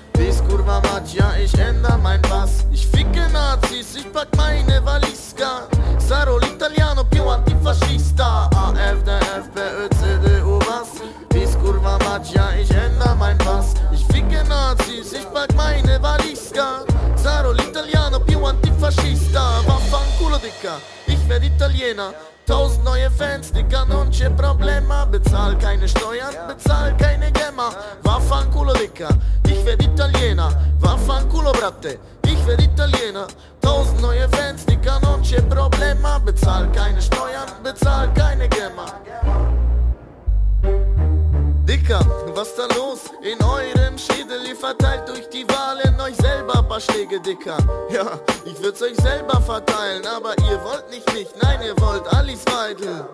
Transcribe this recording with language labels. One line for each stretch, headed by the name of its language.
German: Dies Kurva Matsch, ja, ich änder mein Pass. Ich ficke Nazis, ich pack meine Valiska.
Italian: Saro l'Italiano, più antifascista.
German: AfD, FPÖ, CDU was? Dies Kurva Matsch, ja, ich änder mein Pass. Ich ficke Nazis, ich pack meine Valiska.
Italian: Saro l'Italiano, più antifascista. Vaffanculo,
German: Dicker, ich werd Italiener. 1000 neue Fans, Dicker,
Italian: non c'è problema.
German: Bezahl keine Steuern, bezahl keine Gemma. Vaffanculo, Dicker, ich werd Italiener. Vaffanculo, Bratte, ich werd Italiener. 1000 neue Fans, Dicker,
Italian: non c'è problema.
German: Bezahl keine Steuern, bezahl keine Gemma. Dicker, was da los? In eurem Schädel, ihr verteilt durch die Wahlen euch selber paar Schläge, Dicker. Ja, ich würd's euch selber verteilen, aber ihr wollt nicht mich, nein, ihr wollt Alice Weidel.